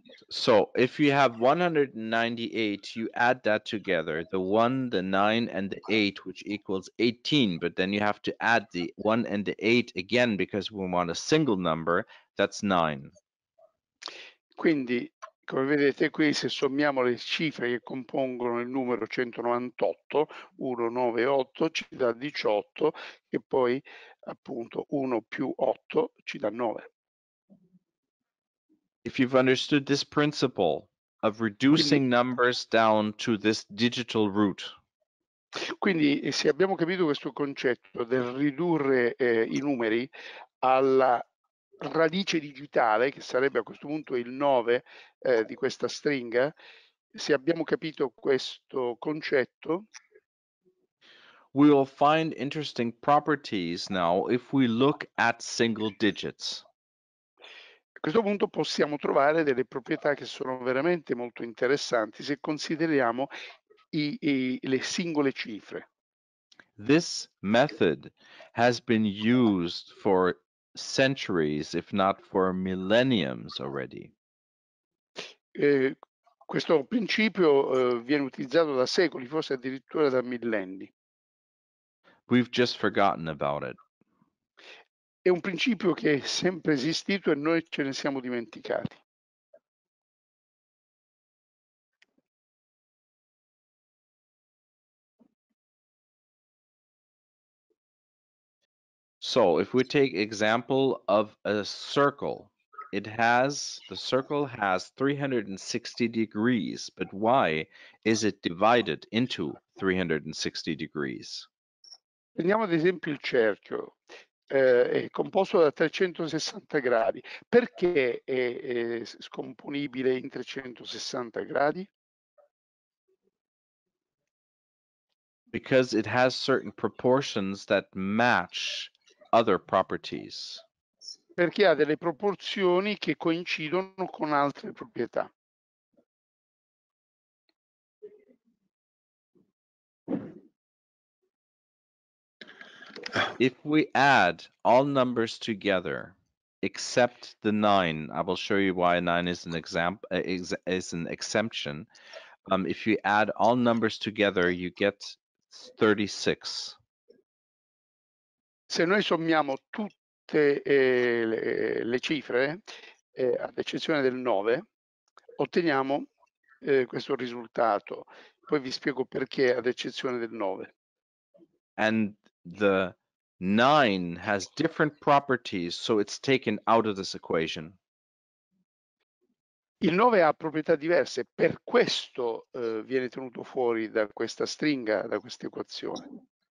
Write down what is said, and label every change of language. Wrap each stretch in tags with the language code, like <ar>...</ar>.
<en>So if you have 198, you add that together, the 1, the 9, and the 8, which equals 18. But then you have to add the 1 and the 8 again because we want a single number. That's 9.</en> <it>Quindi, come vedete qui, se sommiamo le cifre che compongono il numero 198, 1, 9, 8 ci dà 18, e poi appunto 1 più 8 ci dà 9.</it> <en>If you've understood this principle of reducing numbers down to this digital root.</en> <it>Quindi, se abbiamo capito questo concetto del ridurre i numeri alla radice digitale, che sarebbe a questo punto il 9 di questa stringa, se abbiamo capito questo concetto.</it> <en>We will find interesting properties now if we look at single digits.</en> <it>A questo punto possiamo trovare delle proprietà che sono veramente molto interessanti se consideriamo le singole cifre.</it> <en>This method has been used for centuries, if not for millenniums already.</en> <it>Questo principio viene utilizzato da secoli, forse addirittura da millenni.</it> <en>We've just forgotten about it.</en> <it>È un principio che è sempre esistito e noi ce ne siamo dimenticati.</it> <en>So, if we take example of a circle, it has, the circle has 360 degrees, but why is it divided into 360 degrees?</en> <it>Prendiamo ad esempio il cerchio, è composto da 360 gradi. Perché è scomponibile in 360 gradi?</it> <en>Because it has certain proportions that match other properties.</en> <it>Perché ha delle proporzioni che coincidono con altre proprietà.</it> <en>If we add all numbers together except the 9, I will show you why 9 is an example, is an exemption. If you add all numbers together, you get 36.</en> <it>Se noi sommiamo tutte le cifre, ad eccezione del 9, otteniamo questo risultato. Poi vi spiego perché, ad eccezione del 9.</it> <en>And the 9 has different properties, so it's taken out of this equation.</en> <it>Il 9 ha proprietà diverse, per questo viene tenuto fuori da questa stringa, da questa equazione.</it>